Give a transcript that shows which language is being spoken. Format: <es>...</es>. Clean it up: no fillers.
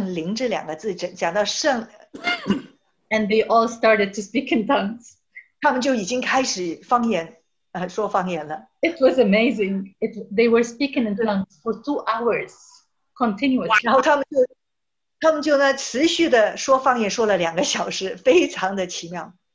<zh>就我都还没有讲完圣灵这两个字，讲到圣。</zh> <en>And they all started to speak in tongues.</en> <zh>他们就已经开始方言，说方言了。</zh> <en>It was amazing. They were speaking in tongues for 2 hours continuously.</en> <zh>然后他们就持续的说方言，说了2个小时，非常的奇妙。</zh>